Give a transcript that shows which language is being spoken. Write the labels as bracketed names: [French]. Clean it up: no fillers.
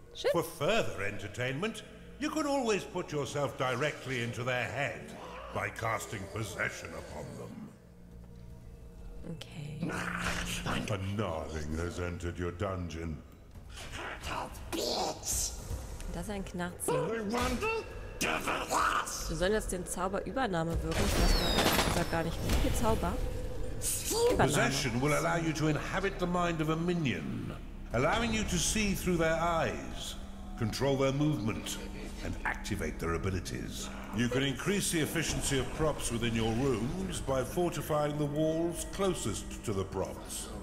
[English] Sure. For further entertainment, you can always put yourself directly into their head by casting possession upon them. Okay. A gnarling has entered your dungeon. [German] Das ist ein Knarzling. Wir sollen jetzt den Zauber Übernahme wirken. Das war gar nicht viel Zauber. Übernahme. [English] Possession will allow you to inhabit the mind of a minion, allowing you to see through their eyes, control their movement. And activate their abilities. You can increase the efficiency of props within your rooms by fortifying the walls closest to the props.